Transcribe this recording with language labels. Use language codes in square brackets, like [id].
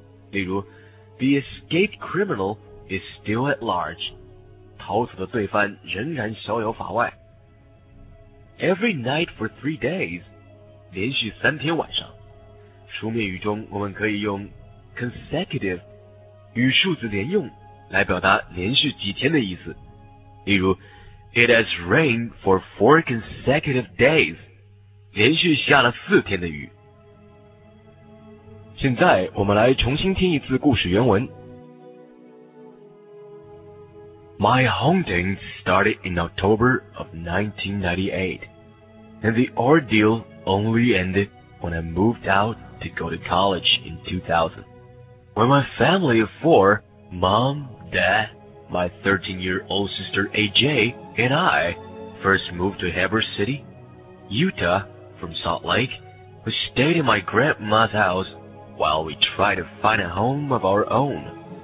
[zh] 例如 [en] The escaped criminal is still at large. [zh] 逃走的罪犯仍然逍遥法外。 [en] Every night for 3 days. [zh] 连续三天晚上。书面语中我们可以用 consecutive 与数字连用来表达连续几天的意思，例如 [en] It has rained for 4 consecutive days. [zh] 连续下了4天的雨。现在我们来重新听一次故事原文。 [en] My haunting started in October of 1998, and the ordeal only ended when I moved out to go to college in 2000. When my family of four, mom, dad, my 13-year-old sister AJ, and I first moved to Heber City, Utah from Salt Lake, we stayed in my grandma's houseWhile we tried to find a home of our own.